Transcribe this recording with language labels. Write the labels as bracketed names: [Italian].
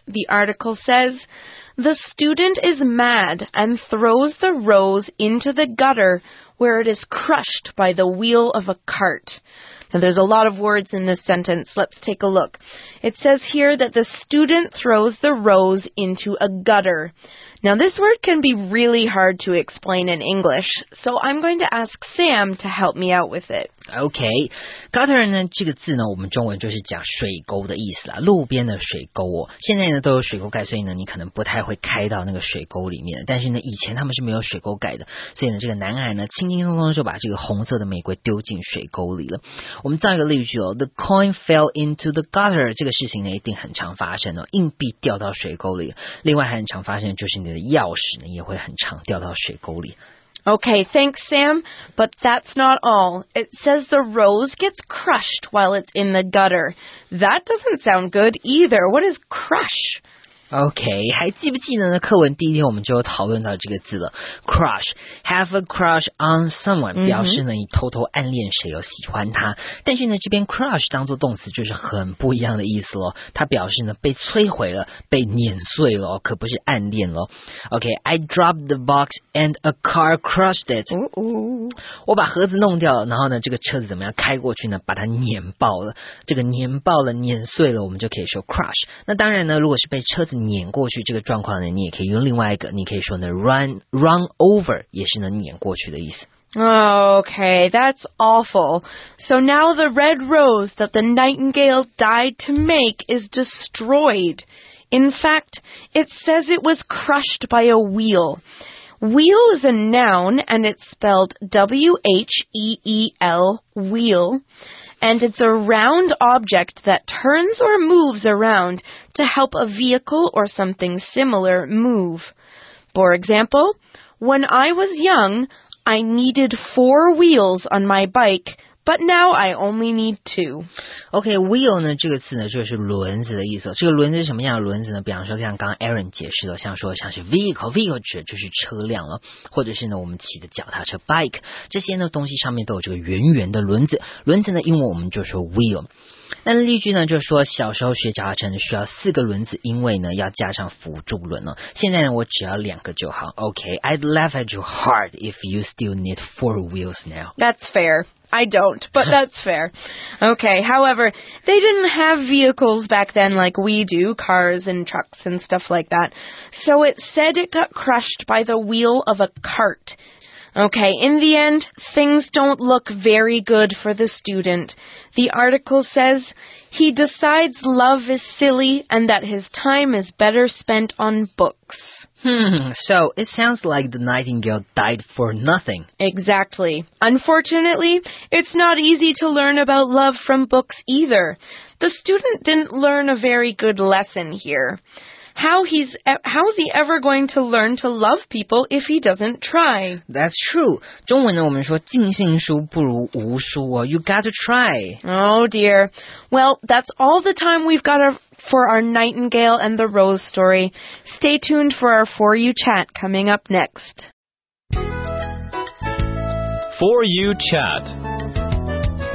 [English] The article says, the student is mad and throws the rose into the gutter where it is crushed by the wheel of a cart. And there's a lot of words in this sentence. Let's take a look. It says here that the student throws the rose into a gutter. Now, this word can be really hard to explain in English, so I'm going to ask Sam to help me out with it. Okay. [Chinese] Gutter 呢这个字呢我们中文就是讲水沟的意思啦，路边的水沟哦。现在呢都有水沟盖，所以呢你可能不太会开到那个水沟里面，但是呢以前他们是没有水沟盖的，所以呢这个男孩呢轻轻松松就把这个红色的玫瑰丢进水沟里了。我们造一个例句哦， [English] The coin fell into the gutter， [Chinese] 这个事情呢一定很常发生哦，硬币掉到水沟里。另外还很常发生就是你的钥匙呢也会很常掉到水沟里。 [English] Okay, thanks Sam, but that's not all. It says the rose gets crushed while it's in the gutter. That doesn't sound good either. What is crush? [Chinese] OK, 还记不记得呢课文第一天我们就讨论到这个字了 crush, [English] have a crush on someone、 [Chinese] 表示呢你偷偷暗恋谁哦，喜欢他，但是呢这边 crush 当作动词就是很不一样的意思咯，它表示呢被摧毁了，被碾碎了，可不是暗恋咯。 OK, I dropped the box and a car crushed it、我把盒子弄掉了，然后呢这个车子怎么样开过去呢，把它碾爆了，这个碾爆了碾碎了我们就可以说 crush。那当然呢如果是被车碾过去这个状况呢，你也可以用另外一个，你可以说呢 [English] run over [Chinese] 也是能碾过去的意思。 [English] Okay, that's awful. So now the red rose that the nightingale died to make is destroyed. In fact, it says it was crushed by a wheel. Wheel is a noun and it's spelled W-H-E-E-L, wheel. And it's a round object that turns or moves around to help a vehicle or something similar move. For example, when I was young, I needed 4 wheels on my bike, But now I only need two. [Chinese] Okay, wheel 呢这个字呢就是轮子的意思。这个轮子是什么样的轮子呢？比方说像刚刚 Aaron 解释的，像说像是 vehicle 指就是车辆了，或者是呢我们骑的脚踏车 bike， 这些呢东西上面都有这个圆圆的轮子。轮子呢英文我们就说 wheel。那例句呢就是说小时候学脚踏车需要四个轮子，因为呢要加上辅助轮了，现在呢我只要两个就好。 [English] OK， I'd laugh at you hard if you still need four wheels now. That's fair. I don't, but that's fair. OK, however, they didn't have vehicles back then like we do, cars and trucks and stuff like that. So it said it got crushed by the wheel of a cart. OK, in the end, things don't look very good for the student. The article says, he decides love is silly and that his time is better spent on books. So it sounds like the nightingale died for nothing. Exactly. Unfortunately, it's not easy to learn about love from books either. The student didn't learn a very good lesson here. How's he ever going to learn to love people if he doesn't try? That's true. [Chinese] 中文呢我们说尽信书不如无书哦。 [English] You gotta try. Oh dear. Well, that's all the time we've got for our Nightingale and the Rose story. Stay tuned for our For You Chat coming up next. For You Chat.